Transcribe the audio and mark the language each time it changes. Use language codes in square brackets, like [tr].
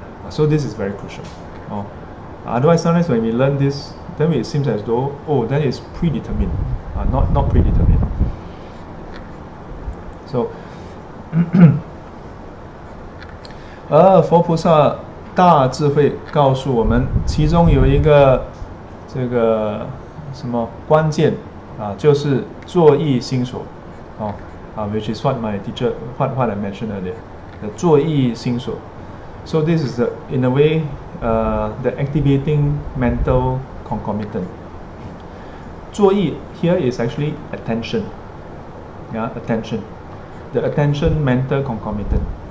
[en] So this is very crucial. Otherwise, sometimes when we learn this, then it seems as though, oh, that is predetermined. Not predetermined. [zh] So, 佛菩萨 大智慧告诉我们，其中有一个这个什么关键，就是作意心所， [en] which is what my teacher what I mentioned earlier, the [zh] 作意心所. [en] So this is the in a way, the activating mental concomitant. 作意 here is actually attention, yeah, attention, the attention mental concomitant.